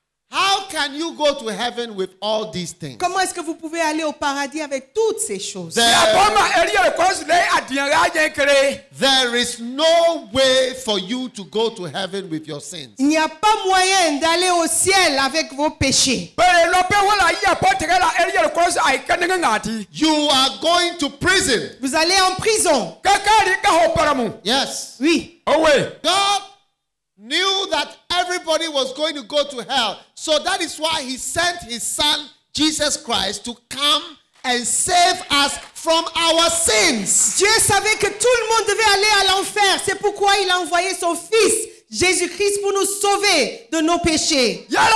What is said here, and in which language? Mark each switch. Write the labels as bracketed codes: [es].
[en] How can you go to heaven with all these things? [fr] Comment est-ce que vous pouvez aller au paradis avec toutes ces choses? [en] There is no way for you to go to heaven with your sins. [fr] Il n'y a pas moyen d'aller au ciel avec vos péchés. [en] You are going to prison. [fr] Vous allez en prison. [en] Yes. [fr] Oui. Oh oui. [en] God knew that everybody was going to go to hell. So that is why he sent his son, Jesus Christ, to come and save us from our sins. [fr] Dieu savait que tout le monde devait aller à l'enfer. C'est pourquoi il a envoyé son fils, Jésus-Christ, pour nous sauver de nos péchés.